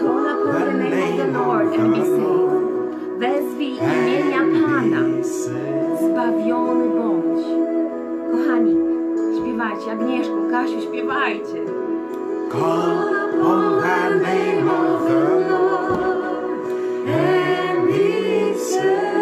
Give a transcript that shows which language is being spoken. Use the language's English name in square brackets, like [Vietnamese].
[English] Call upon the name of the Lord and be saved. [Polish] Wezwij imienia Pana, zbawiony bądź. Kochani, śpiewajcie. Agnieszku, Kasiu, śpiewajcie. [English] Call upon the name of the Lord and be saved.